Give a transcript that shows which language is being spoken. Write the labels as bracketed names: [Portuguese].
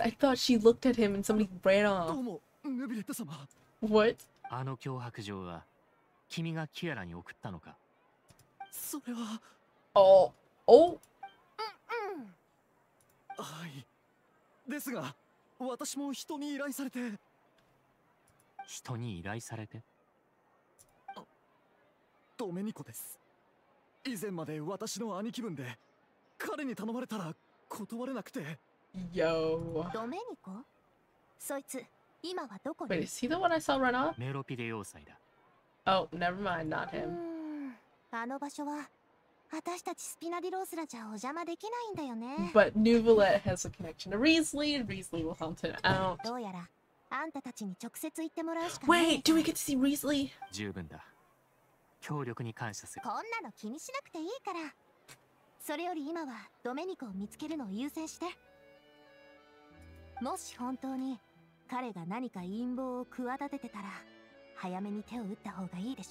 [English] I thought she looked at him and somebody ran off. [Japanese] どうも、ヌビレット様。 [English] What? [Japanese] あの脅迫状は、君がキアラに送ったのか。それは。 Oh. はい。ですが、私も人に依頼されて。人に依頼されて。ドメニコです。以前まで私の兄貴分で彼に頼まれたら断れなくて。 Yo. ドメニコ？そいつ今はどこに？ [English] Wait, is he the one I saw run off? [Japanese] メロピデ要塞だ。 [English] Oh, never mind, not him. [Japanese] あの場所は私たちスピナディロースラじゃお邪魔できないんだよね。 [English] But Nuvolette has a connection to Reesley, and Reesley will hunt him out. [Japanese] どうやら。あんたたちに直接言ってもらうしかない。 [English] Wait, do we get to see Reesley? [Japanese] 十分だ。協力に感謝する。こんなの気にしなくていいから。それより今はドメニコを見つけるのを優先して。もし本当に彼が何か陰謀を企ててたら、早めに手を打った方がいいでしょ。